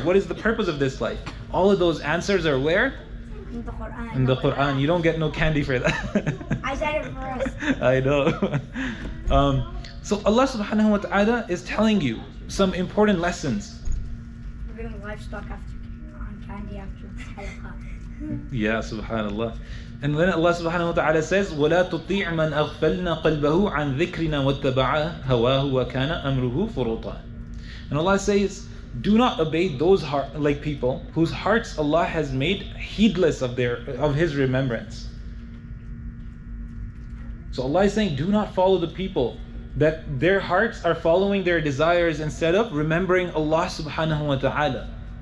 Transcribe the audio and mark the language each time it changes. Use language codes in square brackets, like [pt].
[en] What is the purpose of this life? All of those answers are where? In the Quran. You don't get no candy for that. I said it first. I know. So Allah subhanahu wa ta'ala is telling you some important lessons. We're getting livestock after candy after halaqah. Yeah, subhanAllah. And then Allah subhanahu wa ta'ala says, [ar] وَلَا تُطِيعْ مَنْ أَغْفَلْنَا قَلْبَهُ عَنْ ذِكْرِنَا وَاتَّبَعَ هَوَاهُ وَكَانَ أَمْرُهُ فُرُطًا. [en] And Allah says, do not obey those heart, like people whose hearts Allah has made heedless of their of His remembrance. So Allah is saying, do not follow the people that their hearts are following their desires instead of remembering Allah subhanahu wa ta'ala.